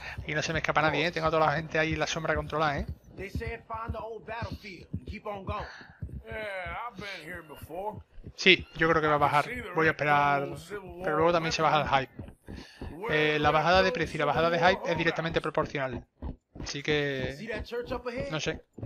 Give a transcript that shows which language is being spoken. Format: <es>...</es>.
<es>Aquí no se me escapa nadie, ¿eh? Tengo a toda la gente ahí en la sombra controlada, ¿eh?</es> <en>They said find the old battlefield and keep on going. Yeah, I've been here before.</en> <es>Sí, yo creo que va a bajar. Voy a esperar, pero luego también se baja el hype. La bajada de precio y la bajada de hype es directamente proporcional. Así que no sé.</es>